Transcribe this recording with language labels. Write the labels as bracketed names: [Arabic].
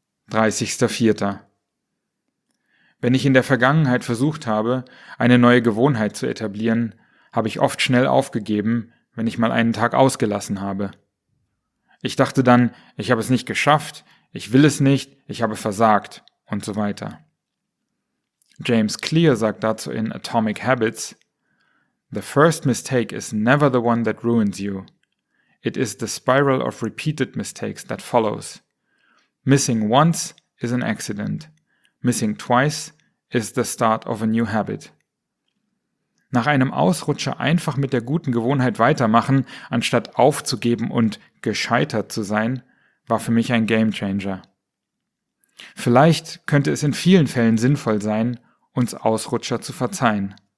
[German] 30.04. Wenn ich in der Vergangenheit versucht habe, eine neue Gewohnheit zu etablieren, habe ich oft schnell aufgegeben, wenn ich mal einen Tag ausgelassen habe. Ich dachte dann, ich habe es nicht geschafft, ich will es nicht, ich habe versagt und so weiter. [English] James Clear [German] sagt dazu in [English] Atomic Habits, "The first mistake is never the one that ruins you. It is the spiral of repeated mistakes that follows. Missing once is an accident. Missing twice is the start of a new habit." [German] Nach einem Ausrutscher einfach mit der guten Gewohnheit weitermachen, anstatt aufzugeben und gescheitert zu sein, war für mich ein Gamechanger. Vielleicht könnte es in vielen Fällen sinnvoll sein, uns Ausrutscher zu verzeihen.